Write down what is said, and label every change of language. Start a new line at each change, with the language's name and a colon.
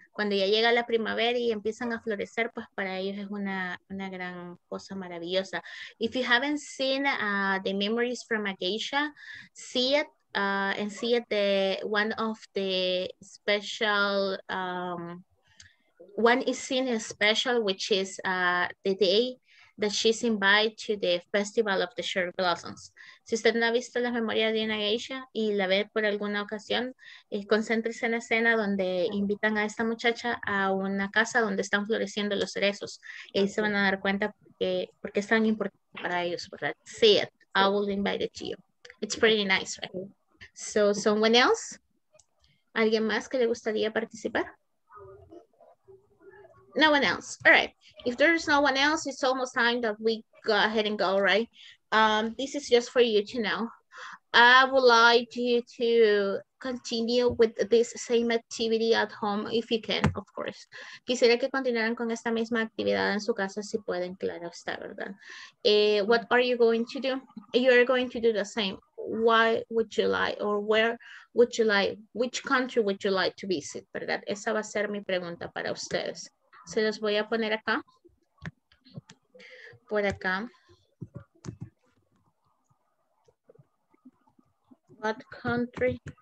Spanish: Cuando ya llega la primavera y empiezan a florecer, pues para ellos es una gran cosa maravillosa.
English: If you haven't seen the Memories from a Geisha, see it and see it, the one of the special, one is seen as special, which is the day that she's invited to the Festival of the Cherry Blossoms.
Spanish: Si usted no ha visto la memoria de una geisha y la ve por alguna ocasión, concéntrese en la escena donde invitan a esta muchacha a una casa donde están floreciendo los cerezos. Y ahí se van a dar cuenta porque es tan importante para ellos, ¿verdad?
English: See it. I will invite it to you. It's pretty nice, right? So, someone else?
Spanish: ¿Alguien más que le gustaría participar?
English: No one else. All right. If there is no one else, it's almost time that we go ahead and go, right? This is just for you to know. I would like you to continue with this same activity at home, if you can, of course.
Spanish: Quisiera que continuaran con esta misma actividad en su casa, si pueden, claro, está, ¿verdad?
English: What are you going to do? You are going to do the same. Why would you like, or where would you like, which country would you like to visit, ¿verdad?
Spanish: Esa va a ser mi pregunta para ustedes. Se los voy a poner acá. Por acá.
English: What country?